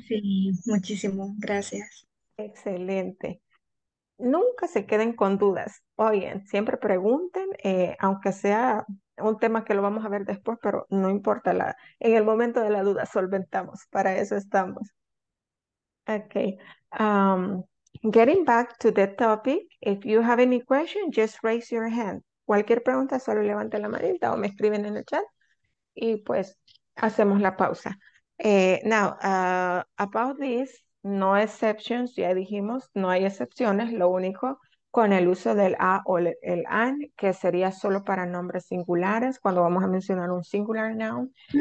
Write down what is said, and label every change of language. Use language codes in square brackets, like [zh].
[es] Sí, muchísimo, gracias. Excelente. Nunca se queden con dudas. Oigan, siempre pregunten, aunque sea un tema que lo vamos a ver después, pero no importa, en el momento de la duda solventamos, para eso estamos. Okay. [en] Getting back to the topic, if you have any question, just raise your hand. [es] Cualquier pregunta, solo levante la manita o me escriben en el chat y pues hacemos la pausa. [en] Now, about this, no exceptions, [es] ya dijimos, no hay excepciones, lo único con el uso del a o el an, que sería solo para nombres singulares, cuando vamos a mencionar un singular noun.